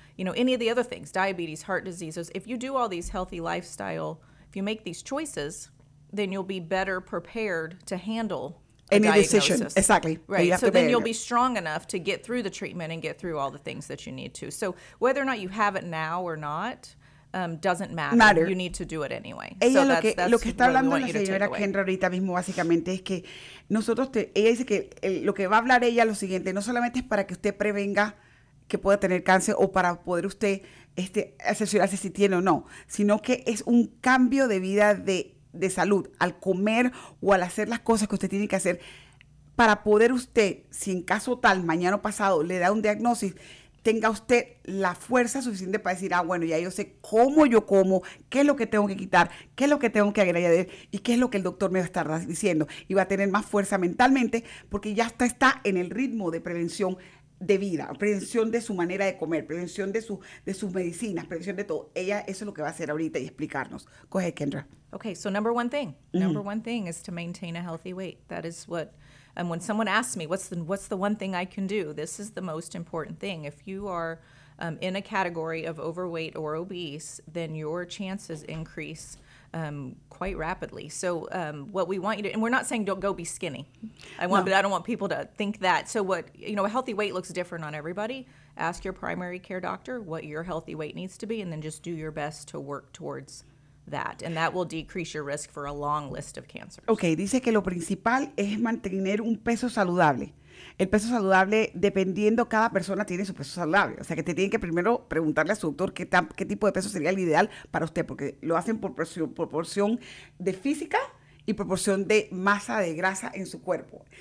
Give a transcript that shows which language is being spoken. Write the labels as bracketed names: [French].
[English] You know, any of the other things, diabetes, heart diseases, if you do all these healthy lifestyle, if you make these choices, then you'll be better prepared to handle any decision. Exactly. Right. So then you'll be strong enough to get through the treatment and get through all the things that you need to. So whether or not you have it now or not, doesn't matter. You need to do it anyway. [Spanish] Ella, so lo que está hablando la señora Kendra ahorita mismo, básicamente, es que ella dice que lo que va a hablar ella lo siguiente, no solamente es para que usted prevenga que pueda tener cáncer o para poder usted asegurarse si tiene o no, sino que es un cambio de vida de salud al comer o al hacer las cosas que usted tiene que hacer para poder usted, si en caso tal, mañana o pasado, le da un diagnóstico, tenga usted la fuerza suficiente para decir, ah, bueno, ya yo sé cómo yo como, qué es lo que tengo que quitar, qué es lo que tengo que agregar y qué es lo que el doctor me va a estar diciendo. Y va a tener más fuerza mentalmente porque ya está en el ritmo de prevención de vida, prevención de su manera de comer, prevención de sus medicinas, prevención de todo. Ella, eso es lo que va a hacer ahorita y explicarnos. [English] Go ahead, Kendra. Okay, so number one thing. Number one thing is to maintain a healthy weight. That is what, and when someone asks me, what's the one thing I can do? This is the most important thing. If you are in a category of overweight or obese, then your chances increase quite rapidly. So what we want you to, and we're not saying don't go be skinny. But I don't want people to think that. So what, you know, a healthy weight looks different on everybody. Ask your primary care doctor what your healthy weight needs to be, and then just do your best to work towards that. And that will decrease your risk for a long list of cancers. [Spanish] Okay, dice que lo principal es mantener un peso saludable. El peso saludable, dependiendo, cada persona tiene su peso saludable. O sea, que te tienen que primero preguntarle a su doctor qué tipo de peso sería el ideal para usted, porque lo hacen por proporción de física y proporción de masa de grasa en su cuerpo.